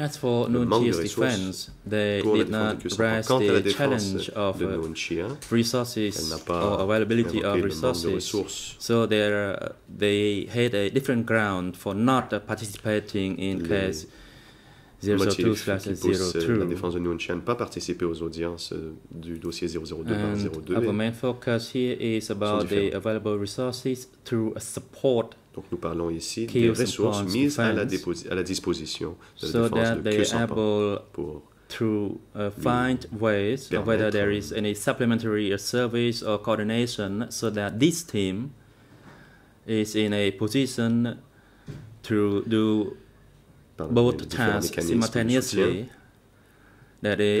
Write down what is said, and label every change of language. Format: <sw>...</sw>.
<en>as for Nunchia's defense, they did not raise the challenge of Nunchia, resources or availability of resources. So they had a different ground for not participating in case 02/02.</en> <fr>La défense de Nguyen Chien pas participer aux audiences du dossier 002/02.</fr> <en>Our main focus here is about the available resources to support.</en> <fr>Donc nous parlons ici des ressources mises à la disposition de la défense de Kyusampan pour</fr> <en>to find ways of whether there is any supplementary service or coordination so that this team is in a position to do both tasks simultaneously, that is,</en>